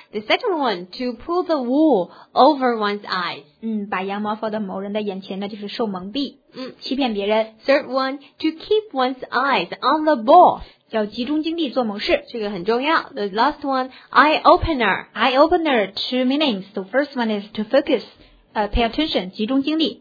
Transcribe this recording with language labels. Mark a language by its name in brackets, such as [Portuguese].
[English] The second one, to pull the wool over one's eyes. [Chinese] 把羊毛放到某人的眼前呢，就是受蒙蔽，欺骗别人。 [English] Third one, to keep one's eyes on the ball. [Chinese] 要集中精力做某事，这个很重要。 [English] The last one, eye-opener. Eye-opener, two meanings. The first one is to focus, pay attention, [Chinese] 集中精力。